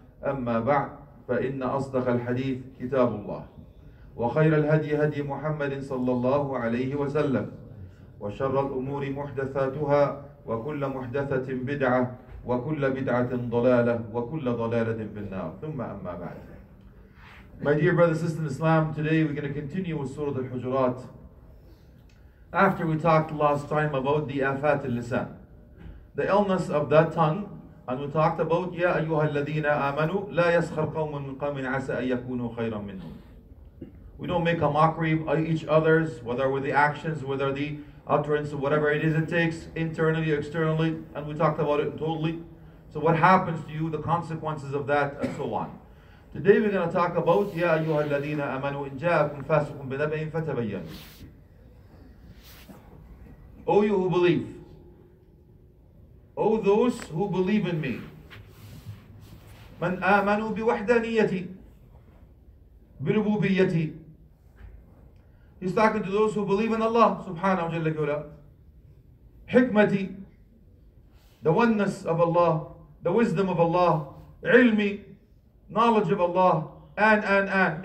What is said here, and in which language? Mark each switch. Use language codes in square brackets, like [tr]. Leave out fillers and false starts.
[ar] أما بعد، فإن أصدق الحديث كتاب الله، وخير الهدي هدي محمد صلى الله عليه وسلم، وشر الأمور محدثاتها، وكل محدثة بدعة، وكل بدعة ضلالة، وكل ضلالة في النار. ثم أما بعد. [en] My dear brothers and sisters in Islam, today we're going to continue with Surah Al-Hujurat. After we talked last time about the afat al-lisan, the illness of that tongue, and we talked about [ar] يا أيها الذين آمنوا لا يسخر قوم من قوم عسى أن يكونوا خيرا منهم. [en] We don't make a mockery of each other's, whether with the actions, whether the utterance, whatever it is it takes, internally, externally, and we talked about it totally. So what happens to you, the consequences of that, and so on. Today we're going to talk about [ar] يَا أَيُّهَا الَّذِينَ آمَنُوا إِنْ جَاءَكُمْ فَاسِقٌ بِنَبَإٍ فَتَبَيَّنُوا. [en] O you who believe, O those who believe in me, [ar] مَنْ آمَنُوا بِوَحْدَانِيَّتِي بِرُبُوبِيَّتِي. [en] He's talking to those who believe in Allah subhanahu wa jalla kula. Hikmati, the oneness of Allah, the wisdom of Allah, ilmi, knowledge of Allah, and.